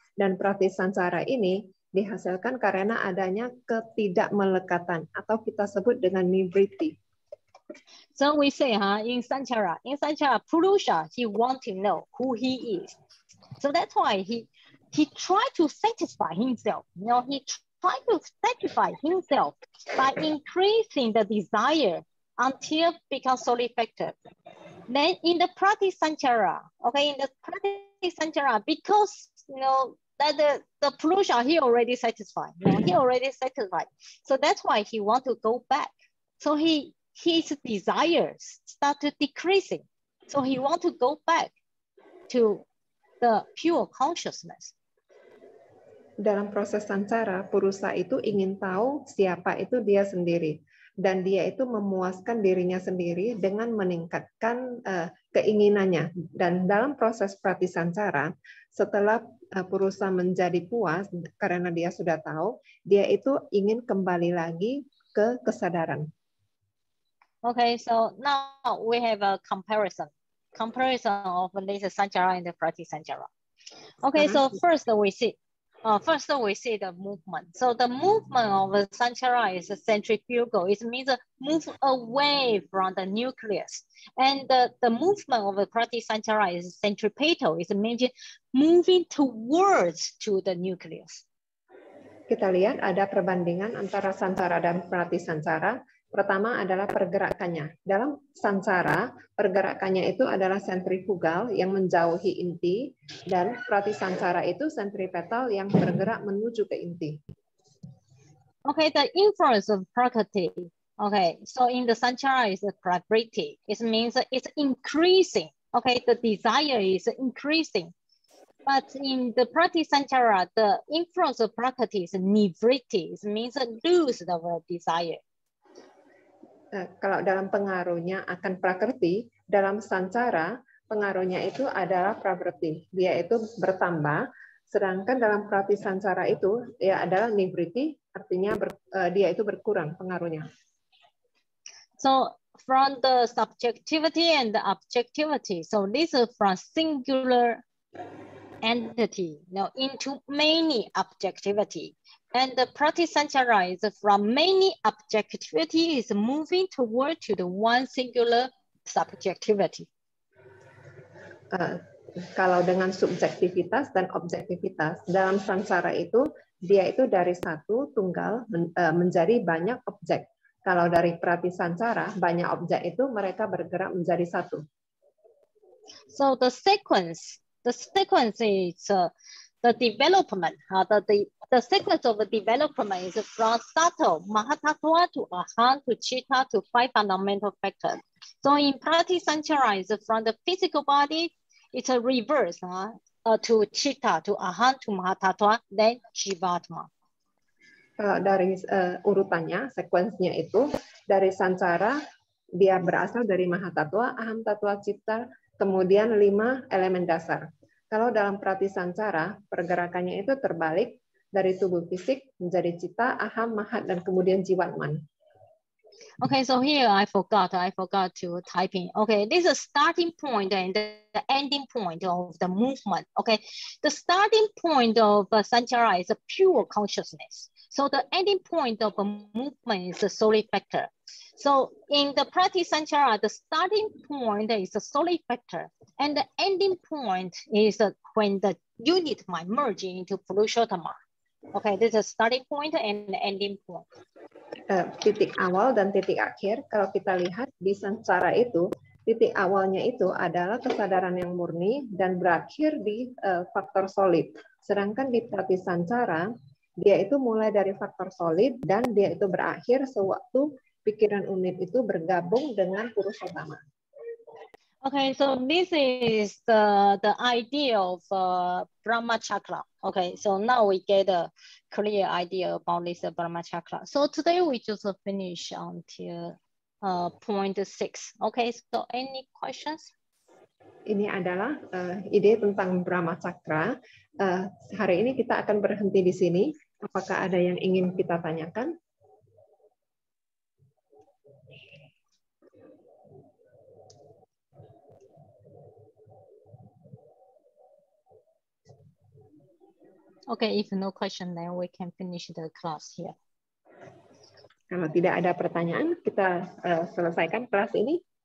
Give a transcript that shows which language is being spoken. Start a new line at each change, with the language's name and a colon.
Indonesian: Dan pratisancara ini dihasilkan karena adanya ketidakmelekatan atau kita sebut dengan nivritti.
English: So we say in sanchara, Purusha, he want to know who he is. So that's why he try to satisfy himself. You know, he try to satisfy himself by increasing the desire until become so effective. Then in the pratisanchara, okay, in the pratisanchara, because you know that the Purusha, he already satisfied. You know, he already satisfied. So that's why he want to go back. So his desires start to decreasing. So he want to go back to the pure consciousness.
Indonesian: Dalam proses sanchara, Purusha itu ingin tahu siapa itu dia sendiri. Dan dia itu memuaskan dirinya sendiri dengan meningkatkan keinginannya. Dan dalam proses pratisancara, setelah Purusha menjadi puas karena dia sudah tahu, dia itu ingin kembali lagi ke kesadaran.
English: Okay, so now we have a comparison of this sanchara and the pratisancara. Okay, so first we see the movement. So the movement of the sanchara is a centrifugal. It means move away from the nucleus. And the movement of the pratisanchara is centripetal. It means moving towards to the nucleus.
Indonesian: Kita lihat ada perbandingan antara sanchara dan pratisanchara. Pertama adalah pergerakannya. Dalam sanchara, pergerakannya itu adalah sentrifugal yang menjauhi inti, dan pratisanchara itu sentripetal yang bergerak menuju ke inti.
English: Okay, the influence of prakriti. Okay, so in the sanchara is the prakriti. It means it's increasing. Okay, the desire is increasing. But in the pratisanchara, the influence of prakriti is nivritti. It means lose the desire.
Indonesian: Kalau dalam pengaruhnya akan prakerti, Dalam sansara, pengaruhnya itu adalah pravritti, yaitu bertambah. Sedangkan dalam prati sansara itu ya adalah nivritti, artinya dia itu berkurang pengaruhnya.
English: So from the subjectivity and the objectivity, so this is from singular entity now into many objectivity, and the prati sansara is from many objectivity is moving toward to the one singular subjectivity.
Indonesian: Kalau dengan subjektivitas dan objektivitas dalam sansara itu, dia itu dari satu tunggal menjadi banyak objek. Kalau dari prati sansara, banyak objek itu mereka bergerak menjadi satu.
English: So the sequence is the development. The sequence of the development is from sattva, mahatattva to ahaṃ to citta to five fundamental factors. So in prati sansara is from the physical body. It's a reverse, to citta, to ahaṃ, to mahatattva, then jivātmā.
Indonesian: Kalau dari urutannya, sequence-nya itu dari sansara, dia berasal dari mahatattva, ahaṃ tattva, citta, kemudian lima elemen dasar. Kalau dalam prati sansara, pergerakannya itu terbalik dari tubuh fisik menjadi citta, ahaṃ, mahat, dan kemudian jivātmā.
English: Okay, so here I forgot to type in. Okay, this is starting point and the ending point of the movement. Okay, the starting point of sanchara is a pure consciousness. So the ending point of a movement is a solid factor. So in the prati sanchara, the starting point is a solid factor, and the ending point is when the unit might merge into purushottama. Okay, this is starting point and ending point.
Indonesian: Titik awal dan titik akhir, kalau kita lihat di sansara itu, titik awalnya itu adalah kesadaran yang murni dan berakhir di faktor solid. Sedangkan di prati sansara, dia itu mulai dari faktor solid dan dia itu berakhir sewaktu pikiran unit itu bergabung dengan purushottama.
English: Okay, so this is the idea of Brahma Chakra. Okay, so now we get a clear idea about this Brahma Chakra. So today we just finish until point six. Okay, so any questions?
Indonesian: Ini adalah ide tentang Brahma Chakra. Hari ini kita akan berhenti di sini. Apakah ada yang ingin kita tanyakan?
English: Okay, if no question, then we can finish the class here.
Indonesian: Kalau tidak ada pertanyaan, kita selesaikan kelas ini.